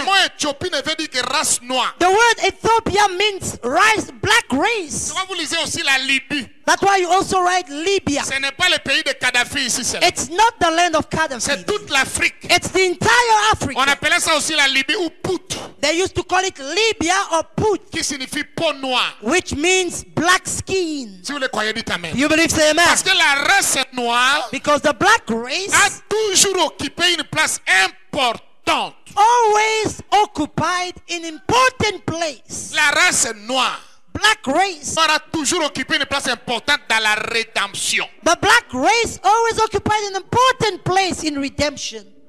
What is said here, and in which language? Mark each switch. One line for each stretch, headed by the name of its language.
French: Le mot Éthiopie ne veut dire que race noire.
English: The word Ethiopia means race, black race.
French: Pourquoi vous lisez aussi la Libye?
English: That's why you also write Libya.
French: Ce n'est pas le pays de Kadhafi ici. C'est
English: it's not the land of Kadhafi.
French: C'est toute l'Afrique.
English: It's the entire Africa.
French: On appelait ça aussi la Libye ou Put.
English: They used to call it Libya or Put.
French: Qui signifie peau noire.
English: Which means black skin.
French: Si vous le croyez, dites amen.
English: You believe, say amen.
French: Parce que la race est noire.
English: Because the black race
French: a toujours occupé une place importante.
English: Always occupied an important place.
French: La race est noire.
English: Black race
French: aura toujours occupé une place importante dans la rédemption.
English: The black race always occupied an important place in redemption.